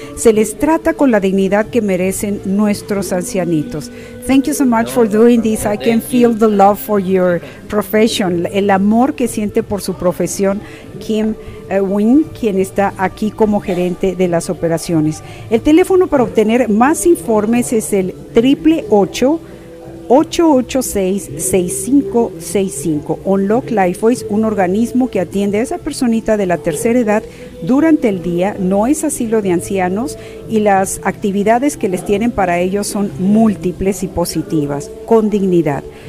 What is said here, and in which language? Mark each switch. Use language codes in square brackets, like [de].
[es] Se les trata con la dignidad que merecen nuestros ancianitos. [en] Thank you so much for doing this. I can feel the love for your profession. [es] El amor que siente por su profesión, Kim Wing, quien está aquí como gerente de las operaciones. El teléfono para obtener más informes es el 888-886-6565. On Lok Life Voice, un organismo que atiende a esa personita de la tercera edad durante el día, no es asilo de ancianos, y las actividades que les tienen para ellos son múltiples y positivas, con dignidad.